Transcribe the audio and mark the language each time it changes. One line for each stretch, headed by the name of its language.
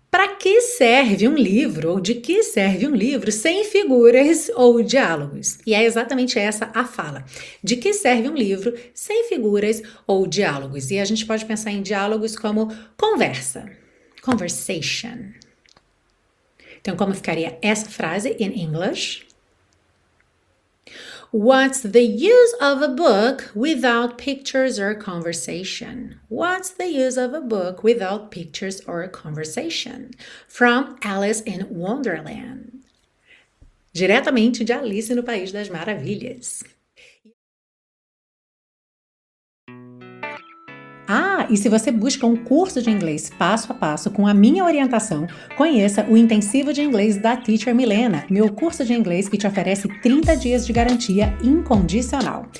Portuguese: Para que serve um livro ou de que serve um livro sem figuras ou diálogos? E é exatamente essa a fala. De que serve um livro sem figuras ou diálogos? E a gente pode pensar em diálogos como conversa. Conversation. Então, como ficaria essa frase
English: in English? What's the use of a book without pictures or conversation? What's the use of a book without pictures or conversation? From Alice in Wonderland.
Portuguese: Diretamente de Alice no País das Maravilhas. Ah, e se você busca um curso de inglês passo a passo com a minha orientação, conheça o Intensivo de Inglês da Teacher Milena, meu curso de inglês que te oferece 30 dias de garantia incondicional.